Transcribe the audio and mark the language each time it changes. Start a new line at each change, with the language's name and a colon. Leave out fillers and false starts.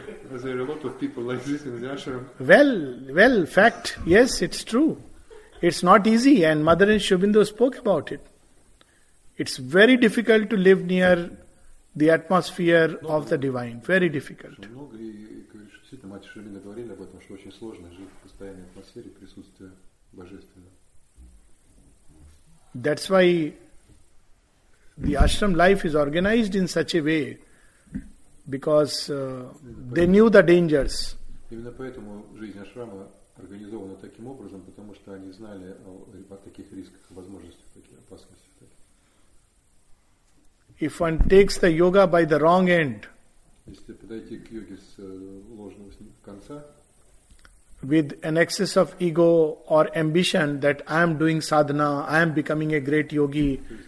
English: There are a lot of people like this in the ashram. Well, fact, yes, it's true. It's not easy, and Mother and Shubindo spoke about it. It's very difficult to live near the atmosphere of the divine. Very difficult.
Russian: Мать Шубинда говорила об этом, что очень сложно жить в постоянной атмосфере присутствия божественного.
English: That's why the ashram life is organized in such a way. Because they knew the dangers.
Russian: Именно поэтому жизнь ашрама организована таким образом, потому что они знали о таких рисках, возможностях, таких опасностях.
English: If one takes the yoga by the wrong end,
Russian: если подойти к йоге с ложного конца,
English: with an excess of ego or ambition that I am doing sadhana, I am becoming a great yogi.